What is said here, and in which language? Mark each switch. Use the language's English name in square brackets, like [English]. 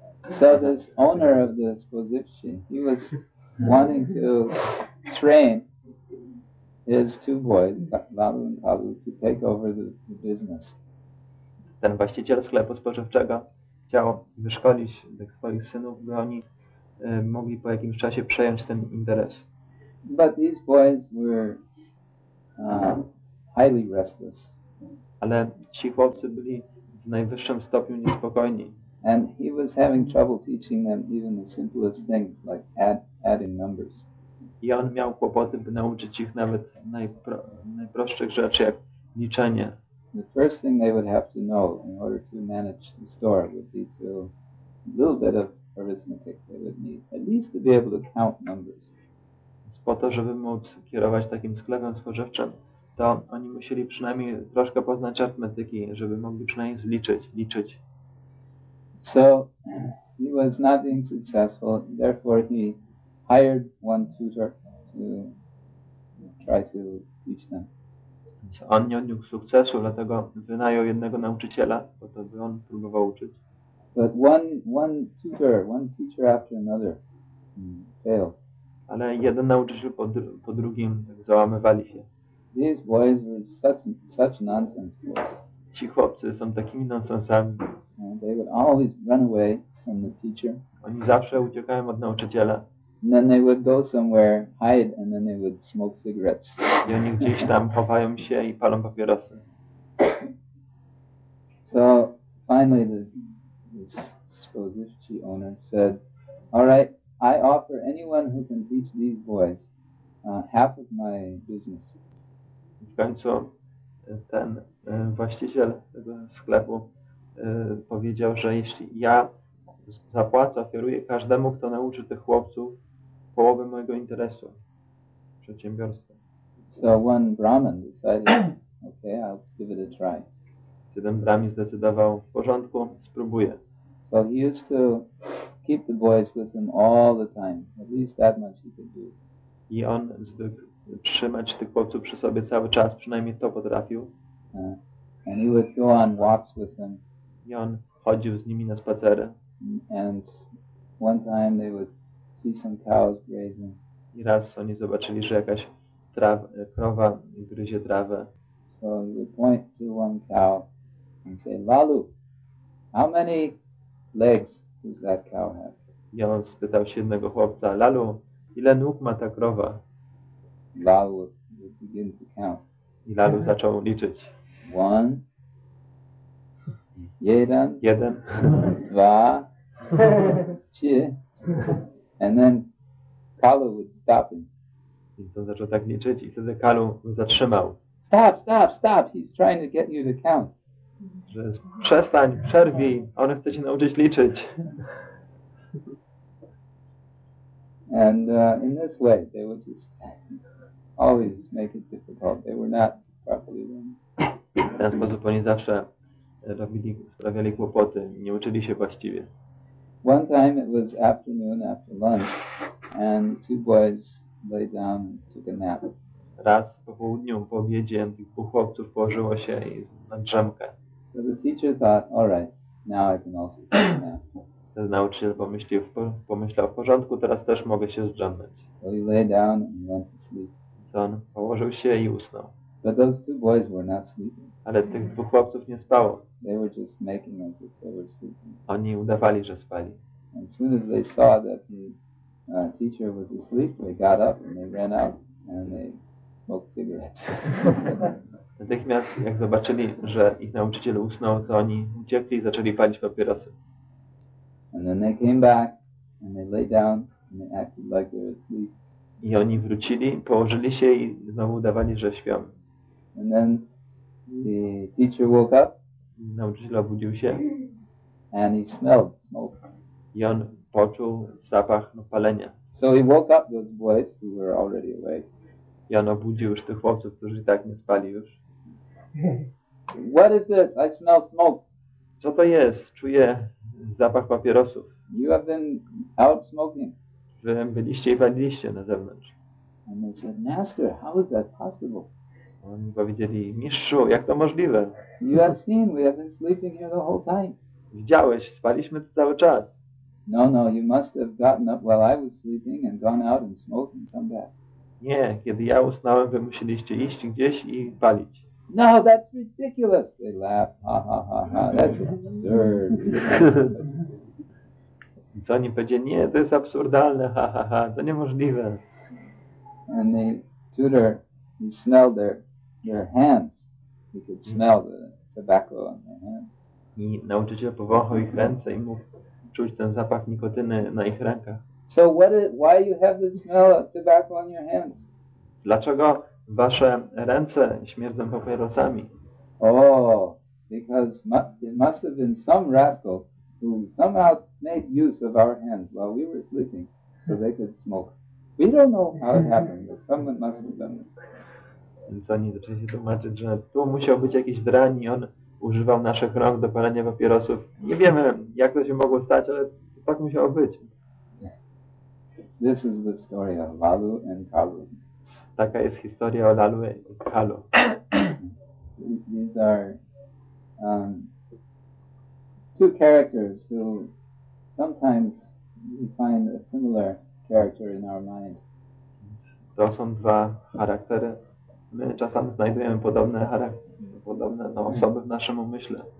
[English] So this owner of the spozivchi, he was wanting to train his two boys, Lalu and Kalu, to take over the business. [Polish] Ten właściciel sklepu spożywczego chciał wyszkolić tych swoich synów, by oni mogli po jakimś czasie przejąć ten interes. [English] But these boys were highly restless. [Polish] Ale ci chłopcy byli w najwyższym stopniu niespokojni. [English] And he was having trouble teaching them even the simplest things, like adding numbers. [Polish] I on miał kłopoty, by nauczyć ich nawet najprostszych rzeczy, jak liczenie. [English] The first thing they would have to know in order to manage the store would be to a little bit of arithmetic they would need, at least to be able to count numbers. [Polish] Po to, żeby móc kierować takim sklepem spożywczym, to oni musieli przynajmniej troszkę poznać arytmetyki, żeby mogli przynajmniej liczyć. [English] So he was not being successful, therefore he hired one tutor to try to teach them. [Polish] On nie odniósł sukcesu, dlatego wynajął jednego nauczyciela, po to by on próbował uczyć. [English] But one teacher after another failed. [Polish] Ale jeden nauczyciel po drugim załamywali się. [English] These boys were such nonsense boys. [Polish] Ci chłopcy są takimi nonsensami. [English] They would always run away from the teacher. [Polish] Oni zawsze uciekają od nauczyciela. [English] And then they would go somewhere, hide, and then they would smoke cigarettes. [Polish] I oni gdzieś tam chowają się i palą papierosy. [English] So finally this spozivchi owner said, "All right, I offer anyone who can teach these boys half of my business." [Polish] W końcu ten właściciel tego sklepu powiedział, że jeśli ja zapłacę, oferuję każdemu, kto nauczy tych chłopców, połowę mojego interesu przedsiębiorstwa. [English] So one Brahmin decided, okay, I'll give it a try. [Polish] Jeden Brahmin zdecydował, w porządku, spróbuję. [English] So he used to keep the boys with him all the time. At least that much he could do. [Polish] I on zwykł trzymać tych chłopców przy sobie cały czas, przynajmniej to potrafił. [English] And he would go on walks with them. [Polish] I on chodził z nimi na spacery. [English] And one time they would see some cows grazing. [Polish] I raz oni zobaczyli, że jakaś krowa gryzie trawę. [English] So he would point to one cow and say, "Lalu, how many legs does that cow have?" [Polish] I on spytał się jednego chłopca, "Lalu, ile nóg ma ta krowa?" [English] Lalu would begin to count. [Polish] I Lalu zaczął liczyć. [English] One. [Polish] Jeden. Jeden. Dwa. Trzy. [English] And then Kalu would stop him. [Polish] I to zaczął tak liczyć i wtedy Kalu zatrzymał. [English] Stop, stop, stop. He's trying to get you to count. [Polish] Że przestań, przerwij. On chce cię nauczyć liczyć. [English] And in this way they would just always make it difficult. They were not properly learned. [Polish] W ten sposób oni zawsze sprawiali kłopoty. Nie uczyli się właściwie. [English] One time it was afternoon after lunch, and the two boys lay down and took a nap. [Polish] raz po południu, po obiedzie, tych dwóch chłopców położyło się i na drzemkę. [English] So the teacher thought, all right, now I can also take a nap. [Polish] Ten nauczyciel pomyślał, w porządku, teraz też mogę się zdrzemnąć. [English] So he lay down and went to sleep. [Polish] On położył się i usnął. [English] But those two boys were not sleeping. [Polish] Ale tych dwóch chłopców nie spało. [English] They were just making as if they were sleeping. [Polish] Oni udawali, że spali. [English] As soon as they saw that the teacher was asleep, they got up and they ran out and they smoked cigarettes. [Polish] Natychmiast, jak zobaczyli, że ich nauczyciel usnął, to oni uciekli i zaczęli palić papierosy. [English] And then they came back and they lay down and they acted like they were asleep. [Polish] I oni wrócili, położyli się i znowu udawali, że śpią. [English] And then the teacher woke up. [Polish] Nauczyciel obudził się. [English] And he smelled smoke. [Polish] I on poczuł zapach palenia. [English] So he woke up those boys who were already awake. [Polish] I on obudził już tych chłopców, którzy i tak nie spali już. [English] What is this? I smell smoke. [Polish] Co to jest? Czuję zapach papierosów. [English] You have been out smoking. [Polish] Że byliście i paliliście na zewnątrz. [English] And they said, Master, how is that possible? [Polish] Oni powiedzieli, mistrzu, jak to możliwe? [English] You have seen, we have been sleeping here the whole time. [Polish] Widziałeś, spaliśmy tu cały czas. [English] No, no, you must have gotten up while I was sleeping and gone out and smoked and come back. [Polish] Nie, kiedy ja usnąłem, wy musieliście iść gdzieś i palić. [English] No, that's ridiculous. They laughed. Ha, ha, ha, ha, that's absurd. [Polish] Co oni powiedzieli? Nie, to jest absurdalne, ha, ha, ha, to niemożliwe. [English] And the tutor, he smelled their hands. He could smell the tobacco on their hands. [Polish] I nauczyciel powąchał ich ręce i mógł czuć ten zapach nikotyny na ich rękach. [English] So what is, why you have the smell of tobacco on your hands? [Polish] Dlaczego wasze ręce śmierdzą papierosami? [English] Oh, because it must have been some rascal who somehow made use of our hands while we were sleeping, so they could smoke. We don't know how it happened, but someone must have done it. [Polish] Więc oni zaczęli się tłumaczyć, że tu musiał być jakiś drań i on używał naszych rąk do palenia papierosów. Nie wiemy, jak to się mogło stać, ale tak musiało być. [English] This is the story of Lalu and Kalu. [Polish] Taka jest historia o Lalu i Kalu. [English] These are two characters who sometimes we find a similar character in our mind. [Polish] To są dwa charaktery. My czasami znajdujemy podobne charaktery, podobne osoby w naszym umyśle.